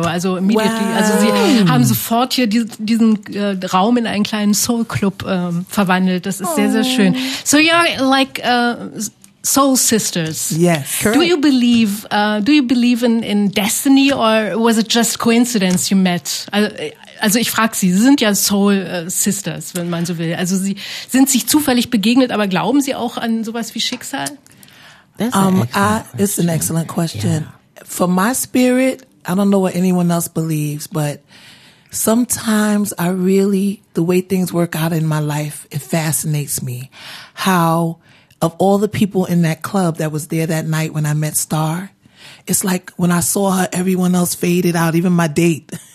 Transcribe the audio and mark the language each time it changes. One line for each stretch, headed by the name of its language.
German: Also immediately, also sie haben sofort hier diesen Raum in einen kleinen Soul-Club verwandelt. Das ist sehr, sehr schön.
English: So you're like soul sisters. Yes, correct. Do you believe in destiny or was it just coincidence you met?
German: Also ich frage Sie, Sie sind ja Soul Sisters, wenn man so will. Also Sie sind sich zufällig begegnet, aber glauben Sie auch an sowas wie Schicksal?
English: It's an excellent question. Yeah. For my spirit, I don't know what anyone else believes, but sometimes I really, the way things work out in my life, it fascinates me. How, of all the people in that club that was there that night when I met Star, it's like when I saw her, everyone else faded out, even my date.